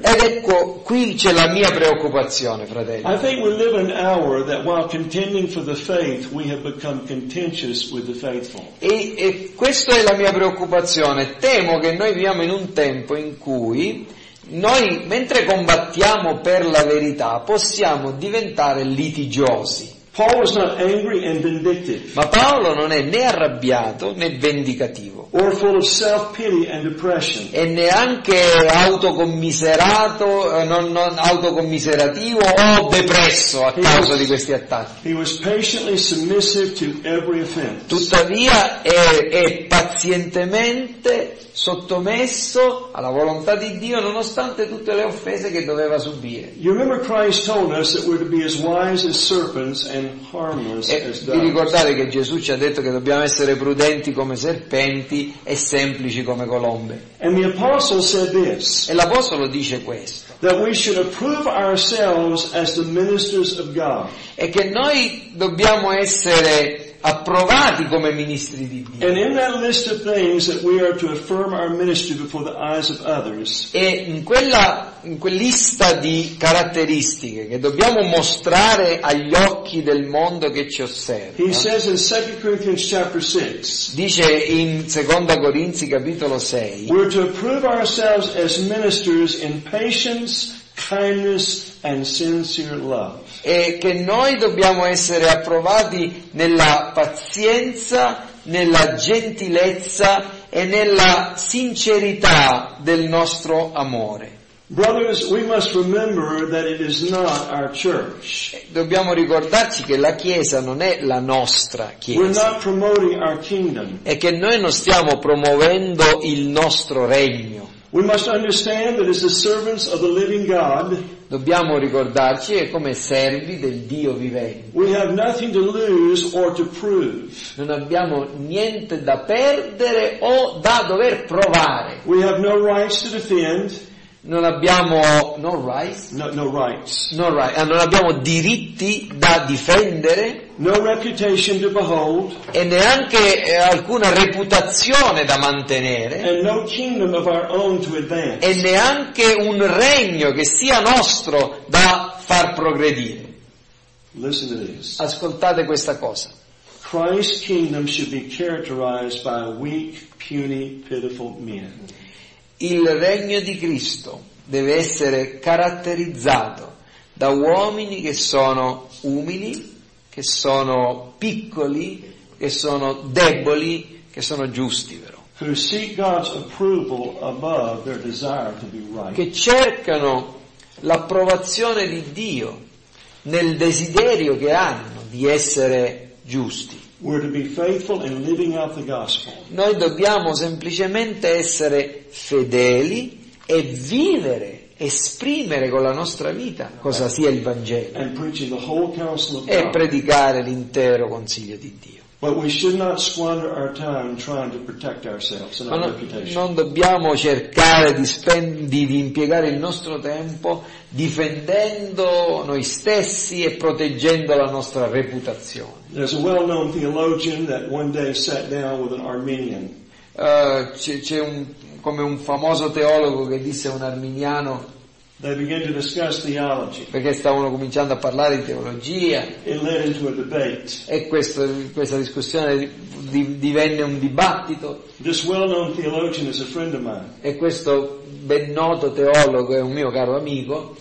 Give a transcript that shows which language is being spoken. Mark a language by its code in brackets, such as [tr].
[it] Ed ecco, qui c'è la mia preoccupazione, fratello. [en] I think we live in an hour that while contending for the faith, we have become contentious with the faithful. [it] E questa è la mia preoccupazione. Temo che noi viviamo in un tempo in cui noi, mentre combattiamo per la verità, possiamo diventare litigiosi. [en] Paul was not angry and vindictive. [it] Ma Paolo non è né arrabbiato né vendicativo. [en] Or full of self-pity and depression. [it] E neanche autocommiserativo o depresso a causa di questi attacchi. [en] He was patiently submissive to every offense. [it] Tuttavia è pazientemente sottomesso alla volontà di Dio nonostante tutte le offese che doveva subire. [en] You remember Christ told us that we're to be as wise as serpents and [it] vi ricordate che Gesù ci ha detto che dobbiamo essere prudenti come serpenti e semplici come colombe. [en] And the apostle said this, [it] e l'apostolo dice questo, [en] that we should approve ourselves as the ministers of God. [it] E che noi dobbiamo essere approvati come ministri di Dio. [en] And in that list of things that we are to affirm our ministry before the eyes of others. [it] E in quella lista di caratteristiche che dobbiamo mostrare agli occhi del mondo che ci osserva. [en] He says in 2 Corinthians chapter 6. [it] Dice in Seconda Corinzi capitolo 6. [en] We are to approve ourselves as ministers in patience, kindness and sincere love. [it] E che noi dobbiamo essere approvati nella pazienza, nella gentilezza e nella sincerità del nostro amore. [en] Brothers, we must remember that it is not our church. [it] Dobbiamo ricordarci che la Chiesa non è la nostra Chiesa. [en] We're not promoting our kingdom. [it] E che noi non stiamo promuovendo il nostro regno. [en] We must understand that as the servants of the living God. [it] Dobbiamo ricordarci che come servi del Dio vivente. [en] We have nothing to lose or to prove. [it] Non abbiamo niente da perdere o da dover provare. [en] We have no rights to defend. [it] Non abbiamo non abbiamo diritti da difendere, [en] no reputation to behold, [it] e neanche alcuna reputazione da mantenere, [en] and no kingdom of our own to advance, [it] e neanche un regno che sia nostro da far progredire. [en] Listen to this. [it] Ascoltate questa cosa. [en] Christ's kingdom should be characterized by weak, puny, pitiful men. [it] Il regno di Cristo deve essere caratterizzato da uomini che sono umili, che sono piccoli, che sono deboli, che sono giusti però. [en] Who seek God's approval above their desire to be right. [it] Che cercano l'approvazione di Dio nel desiderio che hanno di essere giusti. [en] We're to be faithful in living out the gospel. [it] Noi dobbiamo semplicemente essere fedeli e vivere, esprimere con la nostra vita cosa sia il Vangelo. [en] And preaching the whole counsel of God. [it] E predicare l'intero consiglio di Dio. [en] But we should not squander our time trying to protect ourselves and our reputation. [it] Non dobbiamo cercare di impiegare il nostro tempo difendendo noi stessi e proteggendo la nostra reputazione. [en] There's a well-known theologian that one day sat down with an Armenian. [it] C'è un famoso teologo che disse a un arminiano. [en] They began to discuss theology. [it] Perché stavano cominciando a parlare di teologia. [en] It led into a debate. [it] E questa discussione divenne un dibattito. [en] This well-known theologian is a friend of mine. [it] E questo ben noto teologo è un mio caro amico.